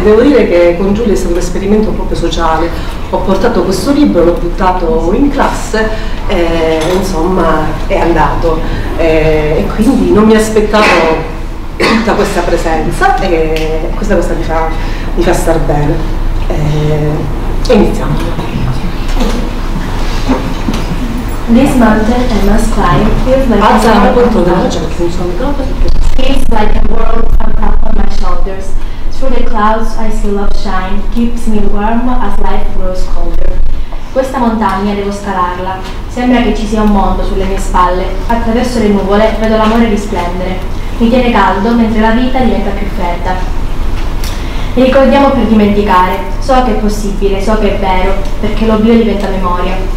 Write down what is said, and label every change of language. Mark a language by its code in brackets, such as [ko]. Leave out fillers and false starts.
[it] Devo dire che con Giulio è stato un esperimento proprio sociale. Ho portato questo libro, l'ho buttato in classe, e insomma è andato. E quindi non mi aspettavo tutta questa presenza, e questa cosa mi fa star bene. Iniziamo. [en] This mountain I must climb feels like a world on top of my shoulders. Through the clouds I see love shine, keeps me warm as life grows colder. [it] Questa montagna devo scalarla, sembra che ci sia un mondo sulle mie spalle. Attraverso le nuvole vedo l'amore risplendere, mi tiene caldo mentre la vita diventa più fredda. Ricordiamo per dimenticare, so che è possibile, so che è vero, perché l'oblio diventa memoria.